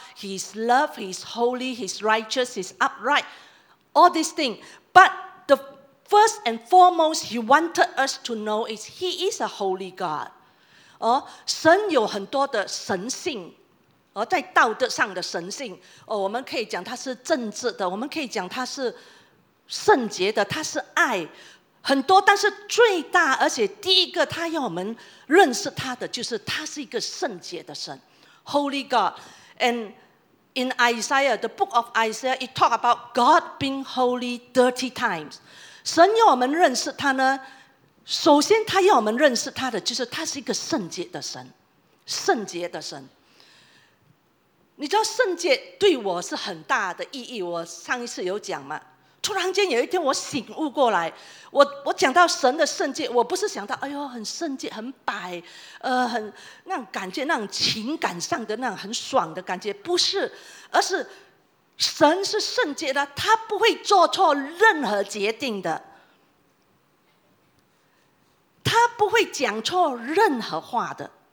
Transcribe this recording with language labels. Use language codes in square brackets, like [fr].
[en] His love, his holy, his righteous, his upright, all these things. But the first and foremost he wanted us to know is he is a holy God. [zh] 神有很多的神性，在道德上的神性，我们可以讲他是正直的，我们可以讲他是圣洁的，他是爱很多，但是最大而且第一个他要我们认识他的就是他是一个圣洁的神， [en] Holy God. And in Isaiah, the book of Isaiah, it talks about God being holy 30 times. [zh] 神要我们认识他呢，首先他要我们认识他的就是他是一个圣洁的神，圣洁的神。你知道圣洁对我是很大的意义，我上一次有讲嘛，突然间有一天我醒悟过来， 我讲到神的圣洁，我不是想到哎呦很圣洁很白，很那种感觉，那种情感上的那种很爽的感觉，不是，而是神是圣洁的，他不会做错任何决定的，他不会讲错任何话的。